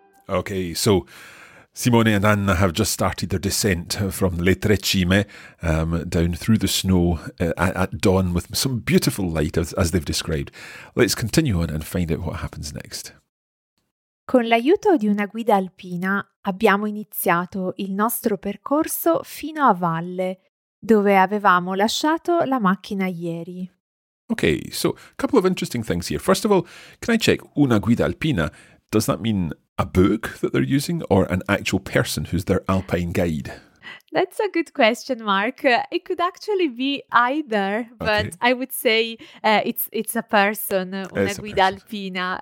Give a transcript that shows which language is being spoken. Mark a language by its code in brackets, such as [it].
[en] Okay, so Simone and Anna have just started their descent from Le Tre Cime down through the snow at dawn with some beautiful light, as they've described. Let's continue on and find out what happens next. [it] Con l'aiuto di una guida alpina abbiamo iniziato il nostro percorso fino a valle, dove avevamo lasciato la macchina ieri. [en] Okay, so a couple of interesting things here. First of all, can I check [it] una guida alpina? [en] Does that mean a book that they're using or an actual person who's their alpine guide? That's a good question, Mark. It could actually be either, but okay. I would say it's a person, [it] una guida alpina.